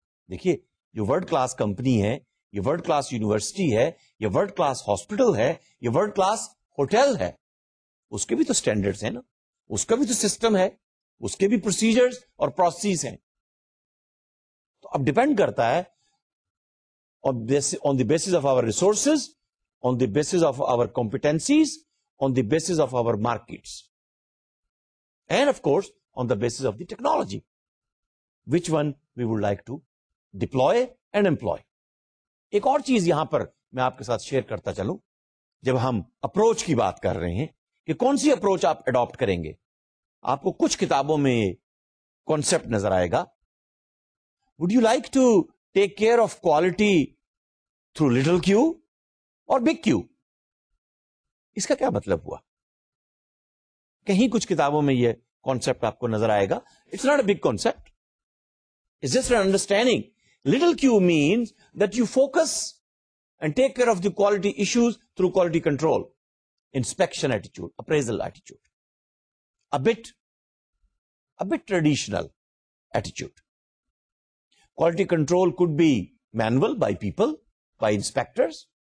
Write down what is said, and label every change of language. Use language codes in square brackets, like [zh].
[ur] دیکھیے جو world class company ہے, یہ ورلڈ کلاس یونیورسٹی ہے, یہ ورلڈ کلاس ہاسپٹل ہے, یہ ورلڈ کلاس ہوٹل ہے, اس کے بھی تو سٹینڈرڈز ہیں نا, اس کا بھی تو سسٹم ہے, اس کے بھی پروسیجرز اور پروسیس ہیں. تو اب ڈیپینڈ کرتا ہے [en] On the basis of our resources, on the basis of our competencies, on the basis of our markets, and of course on the basis of the technology which one we would like to deploy and employ. [ur] ایک اور چیز یہاں پر میں آپ کے ساتھ share کرتا چلوں, جب ہم اپروچ کی بات کر رہے ہیں کہ کون سی اپروچ آپ اڈاپٹ کریں گے, آپ کو کچھ کتابوں میں یہ کانسیپٹ نظر آئے گا. [en] Would you like to take care of quality through little Q اور big Q? [ur] اس کا کیا مطلب ہوا؟ کہیں کچھ کتابوں میں یہ کانسیپٹ آپ کو نظر آئے گا. [en] It's not a big concept, it's just an understanding. Little queue means that you focus and take care of the quality issues through quality control, inspection attitude, appraisal attitude, a bit traditional attitude. Quality control could be manual by people, by inspectors.